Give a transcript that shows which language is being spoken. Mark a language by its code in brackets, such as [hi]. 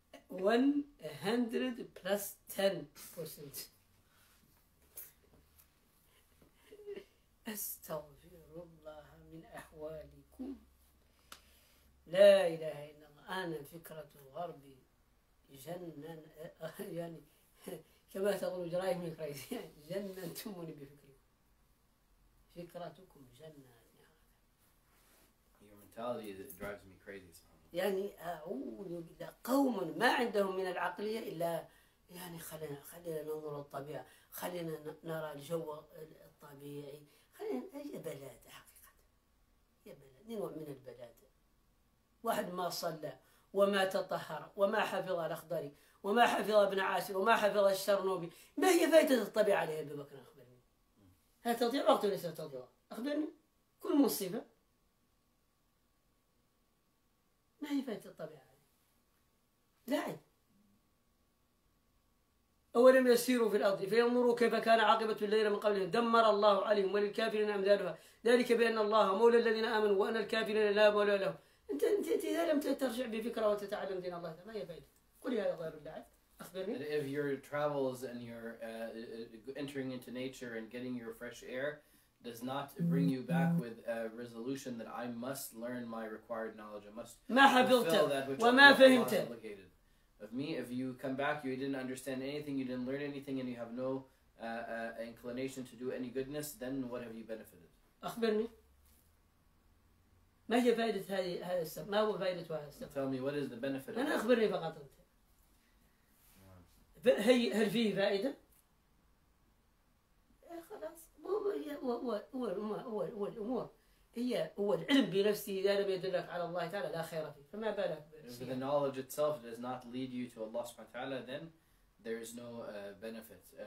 [en] 100 plus 10% [ar] أستغفر الله من أحوالكم لا إله إلا الله أنا فكرة غربي جنن يعني كما تقولوا جرايم كريزي جننتموني بفكركم فكرتكم جنن [en] يعني your mentality that drives me crazy [ar] يعني أعوذ بالله قوم ما عندهم من العقلية إلا يعني خلينا ننظر الطبيعة خلينا نرى الجو الطبيعي هي بلادة حقيقة هي بلادة نوع من البلادة واحد ما صلى وما تطهر وما حفظ الأخضري وما حفظ ابن عاشر وما حفظ الشرنوبي ما هي فايدة الطبيعة عليها ببكر أخبرني هل تضيع وقت ولا تضيع أخبرني كل مصيبة ما هي فايدة الطبيعة عليها لعب أولم يسيروا في الأرض فينظروا كيف كان عاقبة الذين من قبلهم دمر الله عليهم وللكافرين أمثالها ذلك بأن الله مولى الذين آمنوا وأن الكافرين لا مولى لهم أنت إذا لم ترجع بفكرة وتتعلم دين الله ما هي فايدة قل يا غير اللعب أخبرني [en] and if your travels and your entering into nature and getting your fresh air does not bring you back with a resolution that I must learn my required knowledge I must [ar] ما حفظت وما فهمت [en] Of me, if you come back, you didn't understand anything, you didn't learn anything, and you have no inclination to do any goodness, then what have you benefited? [ar] أخبرني. ما هي فائدة هذه السب؟ ما هو فائدة هذا السب؟ [en] Tell me, what is the benefit? [ar] أنا أخبرني فقط. هل فيه فائدة؟ خلاص. هو الأمور. هي هو العلم بنفسه إذا لم يدلك على الله تعالى لا خير فيه فما بالك [en] If the knowledge itself does not lead you to Allah subhanahu wa ta'ala, then there is no benefit.